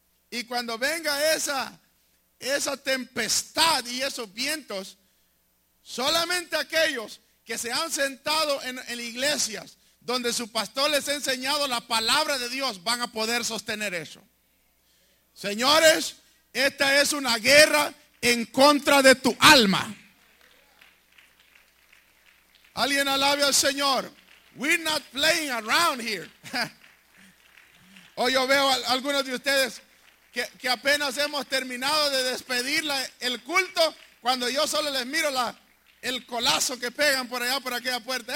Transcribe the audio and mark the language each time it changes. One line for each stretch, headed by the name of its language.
Spanish: Y cuando venga esa tempestad y esos vientos, solamente aquellos que se han sentado en iglesias donde su pastor les ha enseñado la palabra de Dios van a poder sostener eso. Señores, esta es una guerra en contra de tu alma. Alguien alabe al Señor.
English: We're not playing around here.
Spanish: Hoy yo veo a algunos de ustedes que apenas hemos terminado de despedir el culto, cuando yo solo les miro el colazo que pegan por allá, por aquella puerta.